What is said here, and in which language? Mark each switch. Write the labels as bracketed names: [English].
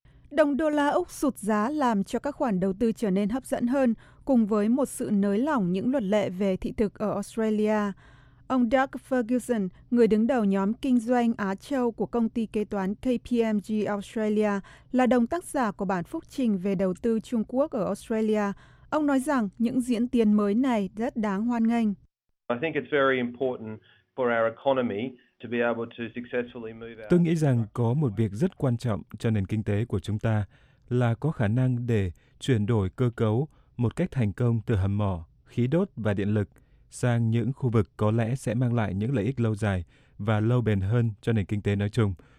[Vietnamese] Đồng đô la Úc sụt giá làm cho các khoản đầu tư trở nên hấp dẫn hơn, cùng với một sự nới lỏng những luật lệ về thị thực ở Australia. Ông Doug Ferguson, người đứng đầu nhóm kinh doanh Á Châu của công ty kế toán KPMG Australia, là đồng tác giả của bản phúc trình về đầu tư Trung Quốc ở Australia. Ông nói rằng những diễn tiến mới này rất đáng hoan nghênh. [English] I think it's very important for our economy. [Vietnamese] Tôi nghĩ rằng có một việc rất quan trọng cho nền kinh tế của chúng ta là có khả năng để chuyển đổi cơ cấu một cách thành công từ hầm mỏ, khí đốt và điện lực sang những khu vực có lẽ sẽ mang lại những lợi ích lâu dài và lâu bền hơn cho nền kinh tế nói chung.